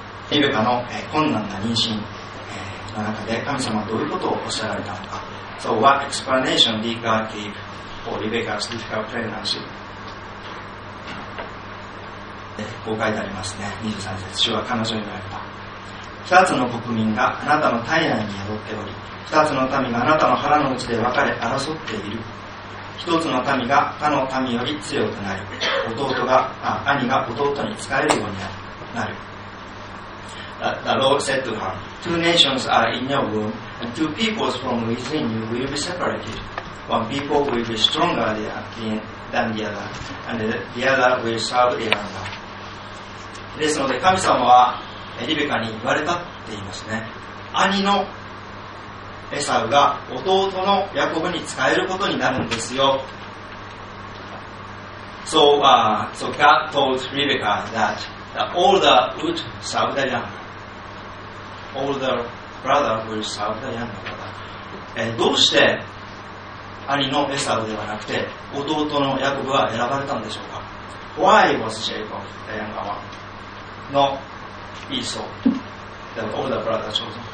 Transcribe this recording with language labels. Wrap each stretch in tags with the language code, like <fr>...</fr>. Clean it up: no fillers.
<ja>リベカの困難な妊娠の中で神様はどういうことをおっしゃられたのか。</ja> <en>So what explanation did God give for Rebecca's difficult pregnancy?</en> <ja>こう書いてありますね。23節、主は彼女に言われた。 2つの国民があなたの体内に宿っており、二つの民があなたの腹の内で分かれ争っている。一つの民が他の民より強くなり、兄が弟に仕えるようになる。</ja> <en>The Lord said to her, Two nations are in your womb, and two peoples from within you will be separated. One people will be stronger than the other, and the other will serve the other.</en> <ja>ですので神様はリベカに言われたって言いますね。兄のエサウが弟のヤコブに仕えることになるんですよ。</ja> <en>So God told Rebecca that the older would serve the younger. Older brother would serve the younger brother.</en> <ja>どうして兄のエサウではなくて弟のヤコブが選ばれたんでしょうか。</ja> <en>Why was Jacob the younger one? Not Esau, the older brother chosen.</en>